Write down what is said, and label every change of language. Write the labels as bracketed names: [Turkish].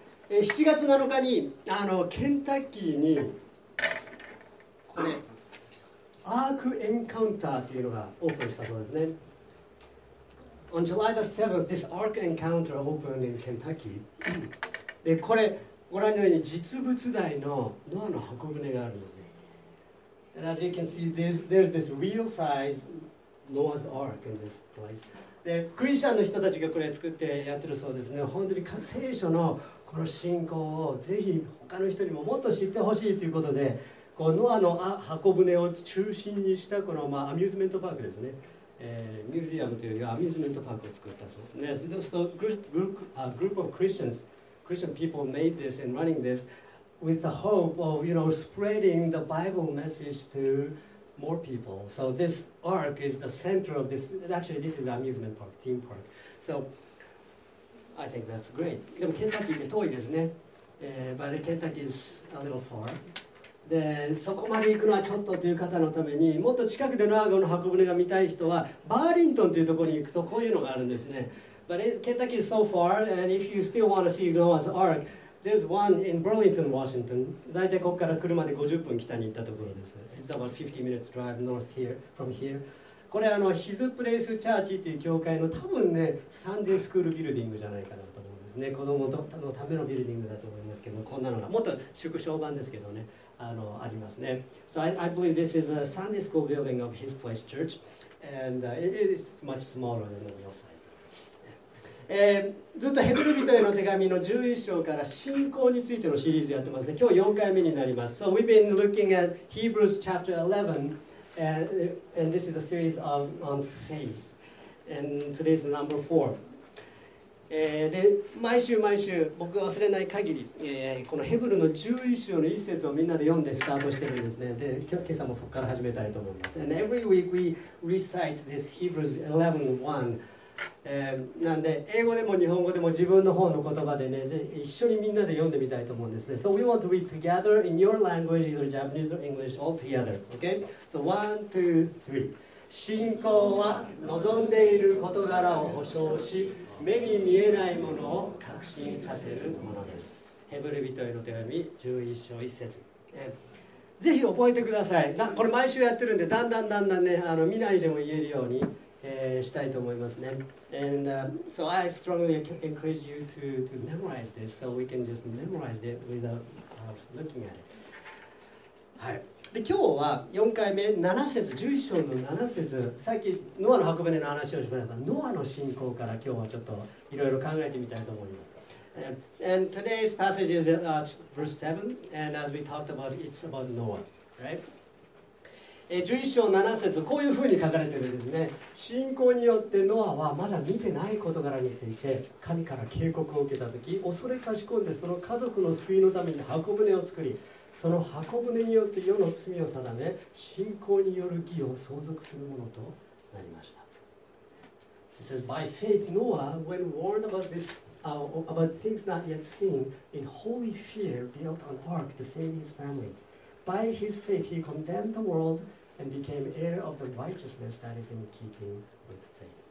[Japanese] 7月7日にケンタッキーにこれアークエンカウンターというのがオープンしたそうですね。 [English] On July the 7th, this Ark Encounter opened in Kentucky. [Japanese] で、これご覧のように実物大のノアの箱舟があるんですね。 [English] And as you can see, there's this real size Noah's Ark in this place. [Japanese] で、クリスチャンの人たちがこれ作ってやってるそうですね。本当に聖書のこの信仰をぜひ他の人にももっと知ってほしいということで、このノアの箱舟を中心にしたこの、アミューズメントパークですね、ミュージアムというよりはアミューズメントパークを作ったそうですね。 [English] So, group of Christians, Christian people made this and running this with the hope of, you know, spreading the Bible message to more people. So this ark is the center of this, actually this is the amusement park, theme park. So I think that's great. [Japanese] でもケンタッキーって遠いですね。 [English] But ケンタッキー is a little far. [Japanese] で、そこまで行くのはちょっとという方のためにもっと近くでノアの箱舟が見たい人はバーリントンというところに行くとこういうのがあるんですね。 [English] But Kentucky is so far, and if you still want to see Noah's Ark, there's one in Burlington, Washington. [Japanese] だいたいここから車で50分北に行ったところです。 [English] It's about 50 minutes drive north here, from here. [Japanese] これヒズプレイスチャーチという教会の多分ね、サンデースクールビルディングじゃないかなと思うんですね。子供のためのビルディングだと思いますけど、こんなのがもっと縮小版ですけどね、ありますね。 [English] So I believe this is a Sunday school building of His Place Church, and it is much smaller than the real size. [Japanese] ずっとヘブル人への手紙の11章から信仰についてのシリーズやってますね。今日4回目になります。 [English] So we've been looking at Hebrews chapter 11, and this is a series on faith, and today is number 4. [Japanese] で、毎週毎週僕が忘れない限り、このヘブルの11章の1節をみんなで読んでスタートしてるんですね。で、今朝もそこから始めたいと思います。 [English] And every week we recite this Hebrews 11:1、 [Japanese] なんで英語でも日本語でも自分の方の言葉でね、で一緒にみんなで読んでみたいと思うんですね。 [English] So we want to read together in your language, either Japanese or English, all together. Okay? So 1, 2, 3. [Japanese] 信仰は望んでいる事柄を保証し、目に見えないものを確信させるものです。ヘブル人への手紙11章1節、ぜひ覚えてください。これ毎週やってるんで、だんだんだんだんね、見ないでも言えるように、したいと思いますね。 [English] And、so I strongly encourage you to memorize this, so we can just memorize it without looking at it. [Japanese] はい、で今日は4回目7節11章の7節、さっきノアの箱舟の話をしましたが、ノアの信仰から今日はちょっといろいろ考えてみたいと思います。 [English] And today's passage is verse 7, and as we talked about, it's about Noah, right? [Japanese] 11章7節、こういうふうに書かれているんですね。信仰によってノアはまだ見てない事柄について神から警告を受けたとき、恐れかしこんでその家族の救いのために箱舟を作り、その箱舟によって世の罪を定め、信仰による義を相続するものとなりました。 [English] It says, by faith, Noah, when warned about this, about things not yet seen, in holy fear built an ark to save his family. By his faith, he condemned the world and became heir of the righteousness that is in keeping with faith.